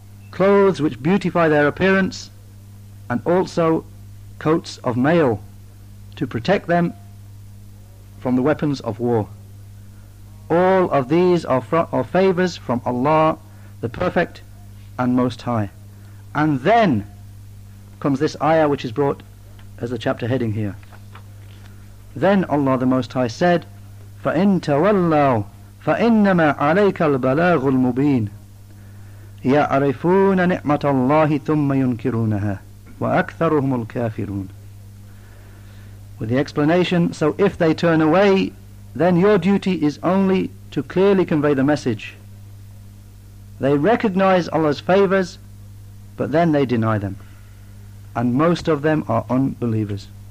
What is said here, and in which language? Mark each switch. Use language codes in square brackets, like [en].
[en] Clothes which beautify their appearance, and also coats of mail to protect them from the weapons of war. All of these are favours from Allah, the Perfect and Most High. And then comes this ayah which is brought as the chapter heading here. Then Allah the Most High said, [ar] فَإِن تَوَلَّوْا فَإِنَّمَا عَلَيْكَ الْبَلَاغُ الْمُبِينَ يَعْرِفُونَ نِعْمَةَ اللَّهِ ثُمَّ يُنْكِرُونَهَا وَأَكْثَرُهُمُ الْكَافِرُونَ. [en] With the explanation, so if they turn away, then your duty is only to clearly convey the message. They recognize Allah's favors, but then they deny them. And most of them are unbelievers.